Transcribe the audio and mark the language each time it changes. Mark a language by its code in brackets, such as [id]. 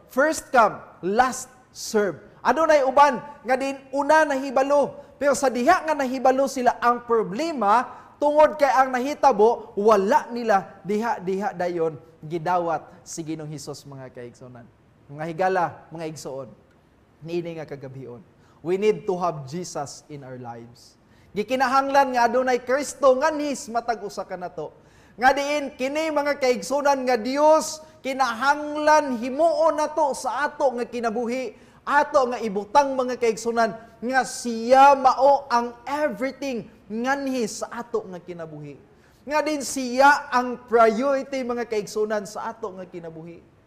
[en] First come, last serve. [ceb] Adunay uban nga din una nahibalo pero sa diha nga nahibalo sila ang problema tungod kay ang nahitabo wala nila diha dayon gidawat si Ginoong Hesus mga kaigsoonan. Mga higala, mga igsuon niini nga kagabion. [en] We need to have Jesus in our lives. [ceb] Gikinahanglan nga adunay Kristo nganhis matag usa ka nato. Nga diin kini mga kaigsunan nga Dios kinahanglan himuon nato sa ato nga kinabuhi, ato nga ibutang mga kaigsunan nga siya mao ang everything nganhis sa ato nga kinabuhi. Nga din siya ang priority mga kaigsunan sa ato nga kinabuhi.